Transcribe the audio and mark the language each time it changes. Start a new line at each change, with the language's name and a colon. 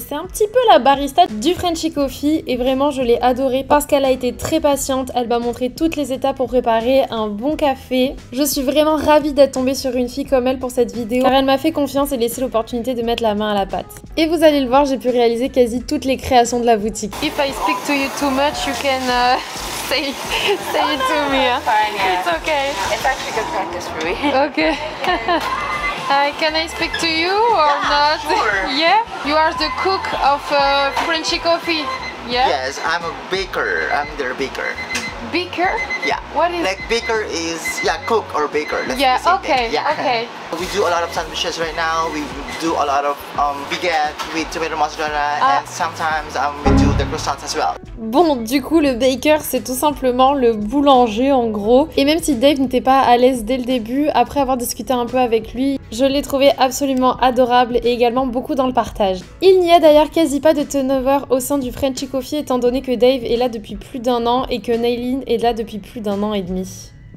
French: C'est un petit peu la barista du Frenchy Coffee et vraiment, je l'ai adorée parce qu'elle a été très patiente. Elle m'a montré toutes les étapes pour préparer un bon café. Je suis vraiment ravie d'être tombée sur une fille comme elle pour cette vidéo car elle m'a fait confiance et laissé l'opportunité de mettre la main à la pâte. Et vous allez le voir, j'ai pu réaliser quasi toutes les créations de la boutique.
English: If I speak to you too much, you can say it to me. Fine, yeah. It's okay. It's actually good practice for me. Okay. Hi, can I speak to you or yeah, not? Sure. Yeah? You are the cook of Frenchy Coffee. Yeah? Yes, I'm a baker. I'm their baker. Baker? Yeah. What is... Like baker is, yeah, cook or baker. Let's yeah, okay, yeah. Okay. We do a lot of sandwiches right now. We do a lot of baguette with tomato mozzarella and sometimes we do the croissants as well.
French: Bon, du coup, le baker, c'est tout simplement le boulanger en gros. Et même si Dave n'était pas à l'aise dès le début, après avoir discuté un peu avec lui, je l'ai trouvé absolument adorable et également beaucoup dans le partage. Il n'y a d'ailleurs quasi pas de turnover au sein du Frenchy Coffee étant donné que Dave est là depuis plus d'un an et que Naylin est là depuis plus d'un an et demi.